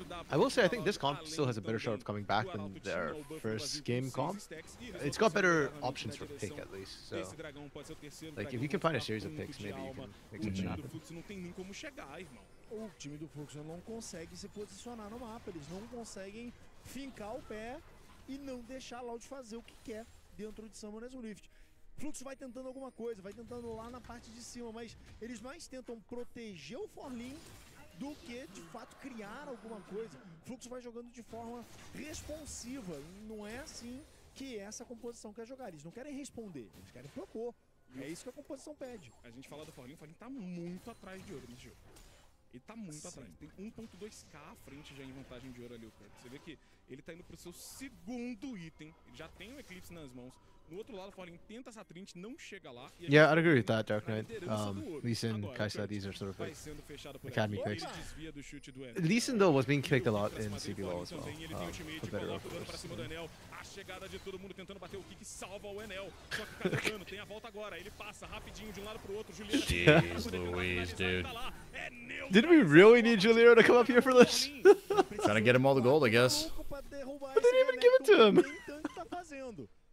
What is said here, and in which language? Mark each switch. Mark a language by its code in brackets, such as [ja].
[en] I will say, I think this comp still has a better shot of coming back than their first game comp. It's got better options for pick, at least. So, like, if you can find a series of picks, maybe you can make something happen. [pt] O time do Fluxo não consegue se posicionar no mapa. Eles não conseguem fincar o pé e não deixar a Loud fazer o que quer dentro de Summoner's Rift. Fluxo vai tentando alguma coisa, vai tentando lá na parte de cima, mas eles mais tentam proteger o Forlim do que, de fato, criar alguma coisa. Fluxo vai jogando de forma responsiva, não é assim que essa composição quer jogar. Eles não querem responder, eles querem propor. É isso que a composição pede. A gente fala do Forlim, o Forlim tá muito atrás de ouro nesse jogo. Ele tá muito atrás, tem 1.2k à frente já em vantagem de ouro ali, o Kurt. Você vê que ele tá indo pro seu segundo item, ele já tem o Eclipse nas mãos. No outro lado, Forlim tenta essa trint, não chega lá. [en] Yeah, I'd agree with that, Dark Knight. Lee Sin, Kai'Sa, these are sort of like academy picks. Lee Sin, though, was being kicked a lot in CBLOL as well. For better or for worse. [pt] Chegada de todo mundo tentando bater o kick, salva o Enel. Só que o cara tem a volta agora. Ele passa rapidinho de um lado pro outro. [en] Juliana, Louise, dude. Did we really need Juliana to come up here for this? Trying to get him all the gold, I guess. But they didn't even give it to him.